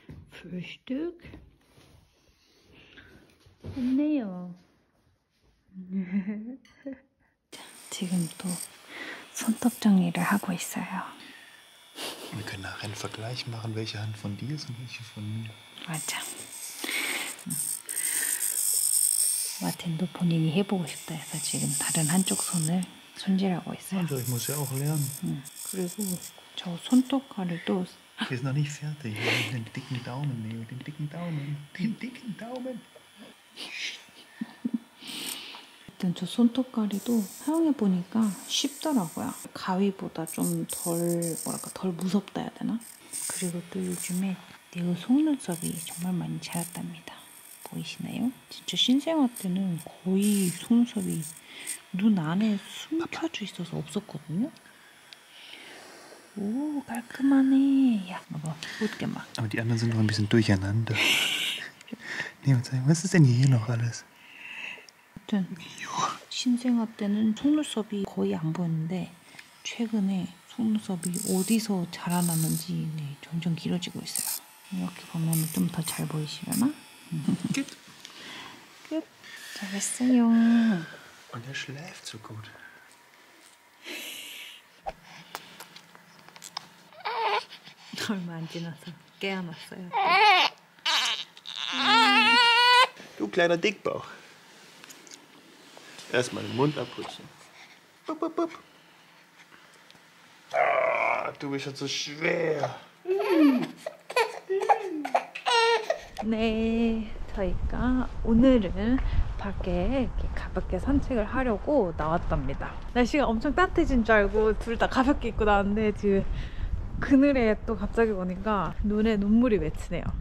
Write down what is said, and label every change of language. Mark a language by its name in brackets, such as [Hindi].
[Korean] 프리슈득. 좋네요. 지금 또 손톱 정리를 하고 있어요. [German] Wir können nachher einen Vergleich machen, welche Hand von dir ist und welche von mir. [Korean] 맞아. 마틴도 본인이 해보고 싶다 해서 지금 다른 한쪽 손을 손질하고 있어요. 맞아, [German] ich muss ja auch lernen. [Korean] 응. 그리고 저 손톱 가리도 [German] Wir sind noch nicht fertig. Wir haben den dicken Daumen, Neo. Den dicken Daumen. Den dicken Daumen. [Korean] 일단 저 손톱 가리도 사용해보니까 쉽더라고요. 가위보다 좀 덜, 뭐랄까, 덜 무섭다 해야 되나? 그리고 또 요즘에 네오 속눈썹이 정말 많이 자랐답니다. 보이시나요? 진짜 신생아 때는 거의 속눈썹이 눈 안에 숨겨져 있어서 없었거든요? 오, 깔끔하네. 야, 봐봐. 웃게 막. [German] Aber die anderen sind noch ein bisschen durcheinander. Neo, was ist denn hier noch alles? [Korean] 아무튼 신생아 때는 속눈썹이 거의 안 보였는데 최근에 속눈썹이 어디서 자라나는지 네, 점점 길어지고 있어요. 이렇게 보면 좀 더 잘 보이시려나? 끝! 끝! 잘했어요. [German] Und er schläft so gut. [Korean] 얼마 안 지나서 깨어났어요. [German] Du kleiner Dickbauch. Erstmal den Mund abputzen. Bup, bup, bup. Ah, du bist halt so schwer. [Korean] Nee, 저희가 오늘은 밖에 이렇게 가볍게 산책을 하려고 나왔답니다. 날씨가 엄청 따뜻해진 줄 알고 둘 다 가볍게 입고 나왔는데 지금 그늘에 또 갑자기 오니까 눈에 눈물이 맺히네요.